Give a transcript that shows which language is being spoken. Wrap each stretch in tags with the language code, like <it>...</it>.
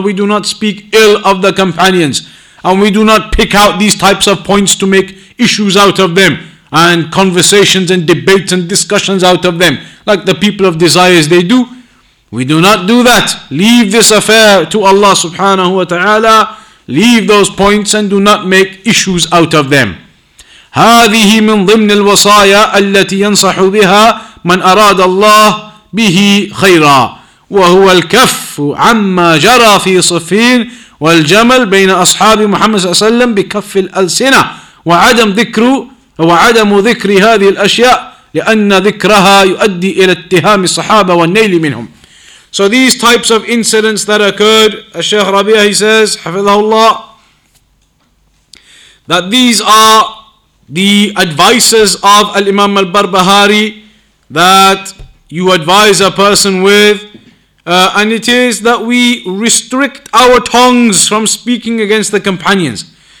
<en>We do not speak ill of the companions. And we do not pick out these types of points to make issues out of them. And conversations and debates and discussions out of them. Like the people of desires they do. We do not do that. Leave this affair to Allah subhanahu wa ta'ala. Leave those points and do not make issues out of them.</en> <ar>هذه من ضمن الوصايا التي ينصح بها من أراد الله به خيرا وهو الكف عما جرى في صفين والجمل بين أصحاب محمد صلى الله عليه وسلم بكف الألسنة وعدم ذكر هذه الأشياء لأن ذكرها يؤدي إلى اتهام الصحابة والنيل منهم.</ar> <en>So these types of incidents that occurred, Sheikh Rabi'ah, he says,</en> <ar>حفظه الله,</ar> <en>that these are the advices of Al-Imam Al-Barbahari that you advise a person with, and it is that we restrict our tongues from speaking against the companions.</en>